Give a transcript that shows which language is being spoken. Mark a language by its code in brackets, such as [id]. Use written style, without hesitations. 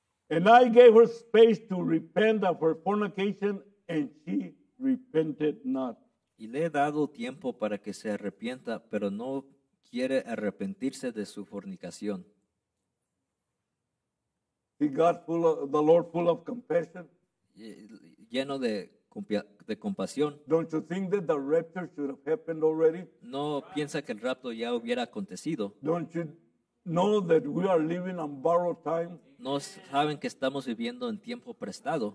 [en] And I gave her space to repent of her fornication, and she repented not. [es] Y le he dado tiempo para que se arrepienta, pero no quiere arrepentirse de su fornicación. [en] He got full of, the Lord full of compassion. [es] Lleno de compasión. [en] Don't you think that the rapture should have happened already? [es] No piensa que el rapto ya hubiera acontecido. [en] Don't you know that we are living on borrowed time? [es] No saben que estamos viviendo en tiempo prestado.